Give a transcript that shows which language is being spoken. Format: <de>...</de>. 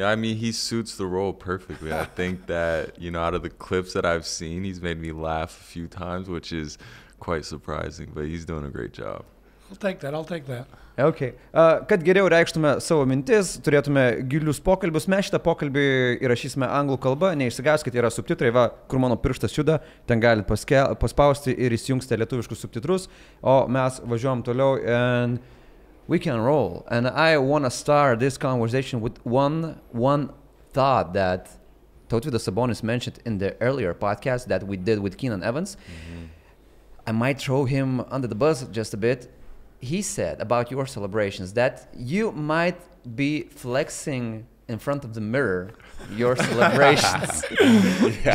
<en>Yeah, I mean, he suits the role perfectly. I think that, you know, out of the clips that I've seen, he's made me laugh a few times, which is quite surprising, but he's doing a great job. I'll take that. Okay.</en> <lt>Kad geriau reikštume savo mintis, turėtume gilius pokalbius, mes šitą pokalbį įrašysime anglų kalbą, neišsigaskite, yra subtitrai, va, kur mano pirštas juda, ten galite paspausti ir įsijungsite lietuviškus subtitrus, o mes važiuojam toliau</lt> <en>and we can roll. And I want to start this conversation with one thought that Tautvydas Sabonis mentioned in the earlier podcast that we did with Keenan Evans. Mm-hmm. I might throw him under the bus just a bit. He said about your celebrations that you might be flexing in front of the mirror your celebrations. Yeah.</en>